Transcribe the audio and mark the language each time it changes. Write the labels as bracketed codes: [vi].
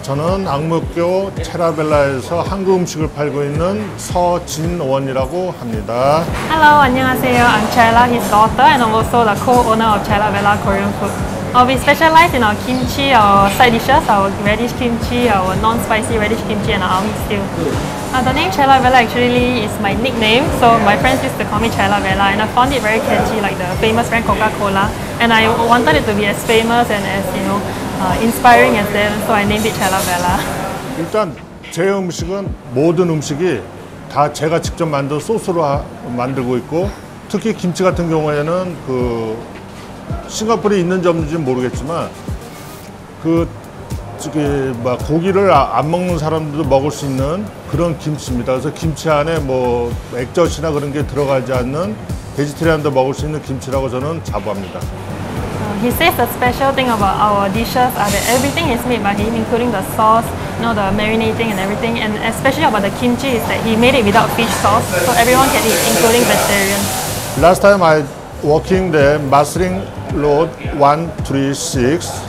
[ko] 저는 앙목교 체라벨라에서 한국 음식을 팔고 있는 서진원이라고 합니다. [en] Hello, [ko] 안녕하세요. [en] I'm Chela, his daughter, and I'm also the co-owner of Chelabella Korean Food. We specialize in our kimchi, our side dishes, our radish kimchi, our non-spicy radish kimchi, and our army stew. The name Chelabella actually is my nickname, so my friends used to call me Chelabella, and I found it very catchy, like the famous brand Coca-Cola, and I wanted it to be as famous and as, you know, inspiring as them, so I named it Chelabella. [ko] 일단 제 음식은 모든 음식이 다 제가 직접 만든 소스로 만들고 있고, 특히 김치 같은 경우에는 그 싱가포르에 있는지 없는지 모르겠지만 그 저기 막 고기를 안 먹는 사람들도 먹을 수 있는 그런 김치입니다. 그래서 김치 안에 뭐 액젓이나 그런 게 들어가지 않는 베지테리안도 먹을 수 있는 김치라고 저는 자부합니다. [en] He says the special thing about our dishes are that everything is made by him, including the sauce, you know, the marinating and everything. And especially about the kimchi is that he made it without fish sauce, so everyone can eat, including vegetarians. Last time I working the Marsiling Road 136.